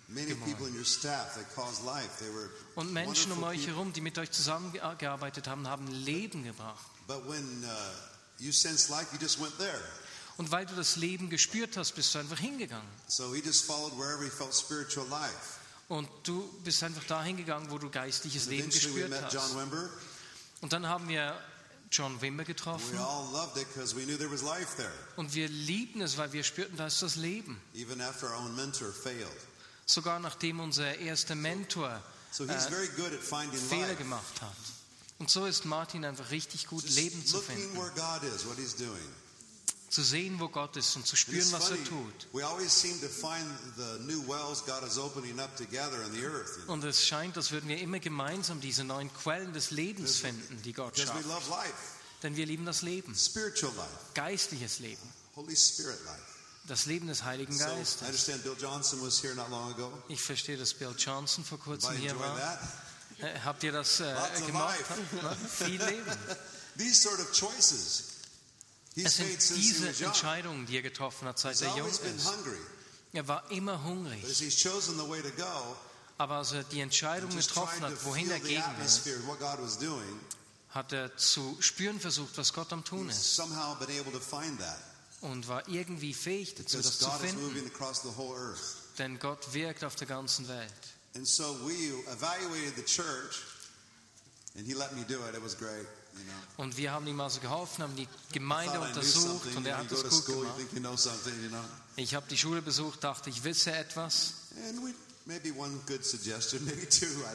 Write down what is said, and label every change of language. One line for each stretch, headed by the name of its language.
English: Many people in your staff that caused life. They were wonderful
German: people. Und Menschen um euch herum, die mit euch zusammengearbeitet haben, haben Leben gebracht.
English: But when you sensed life, you just went there.
German: Und weil du das Leben gespürt hast, bist du einfach hingegangen.
English: So he just followed wherever he felt spiritual life.
German: Und du bist einfach dahin gegangen, wo du geistliches Leben gespürt hast.
English: Eventually we met John Wimber.
German: Und dann haben wir John Wimber getroffen.
English: We all loved it because we knew there was life there.
German: Und wir liebten es, weil wir spürten, da ist das Leben.
English: Even after our own mentor failed.
German: Sogar nachdem unser erster Mentor Fehler gemacht hat. Und so ist Martin einfach richtig gut,
English: just
German: Leben zu finden.
English: Where God is, what he's doing.
German: Zu sehen, wo Gott ist und zu spüren, was er tut. Und es scheint, als würden wir immer gemeinsam diese neuen Quellen des Lebens finden, die Gott schafft.
English: We love life.
German: Denn wir lieben das Leben.
English: Spiritual life.
German: Geistliches Leben.
English: Holy Spirit life.
German: Das Leben des Heiligen Geistes.
English: So, I understand Bill Johnson was here not long ago.
German: Ich verstehe, dass Bill Johnson vor kurzem hier war.
English: That?
German: Habt ihr das gemacht? Viel Leben.
English: These sort of choices he's made since
German: diese Entscheidungen, die er getroffen hat, seit er jung ist. Er war immer hungrig.
English: But as he's chosen the way to go,
German: aber als er die Entscheidung getroffen hat, wohin er gehen will, hat er zu spüren versucht, was Gott am Tun ist.
English: Somehow been able to find that.
German: Und war irgendwie fähig dazu, das
English: God
German: zu finden.
English: Is moving across the whole earth.
German: Denn Gott wirkt auf der ganzen Welt.
English: And so we evaluated the church, and he let me do it. It was great, you know.
German: Und wir haben ihm also geholfen, haben die Gemeinde untersucht, und er hat es gut gemacht.
English: You know something, you know?
German: Ich habe die Schule besucht, dachte, ich wisse etwas.
English: And we, maybe one good suggestion, maybe two, I